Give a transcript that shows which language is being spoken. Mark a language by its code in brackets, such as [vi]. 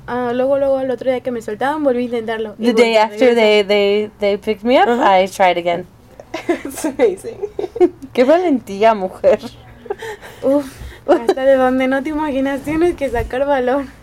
[es] Luego, el otro día que me soltaron, volví a intentarlo. [en] The day after they picked me up, uh-huh. I tried again. It's amazing. [es] Qué valentía, mujer. Uf, hasta de donde no te imaginas tienes que sacar valor.